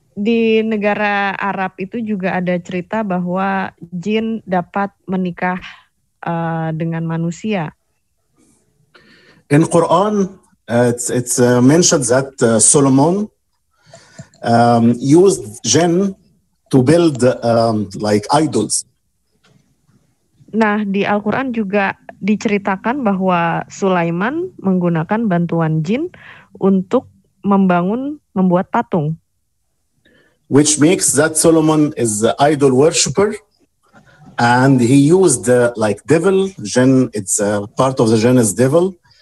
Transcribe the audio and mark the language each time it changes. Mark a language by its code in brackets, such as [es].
[id] Di negara Arab itu juga ada cerita bahwa jin dapat menikah dengan manusia. [en] In Quran, it's mentioned that Solomon used jinn to build like idols. [id] Nah, di Al-Quran juga diceritakan bahwa Sulaiman menggunakan bantuan jin untuk membuat patung. [en] Which makes that Solomon is an idol worshipper, and he used like devil jinn. It's a part of the jinn is devil.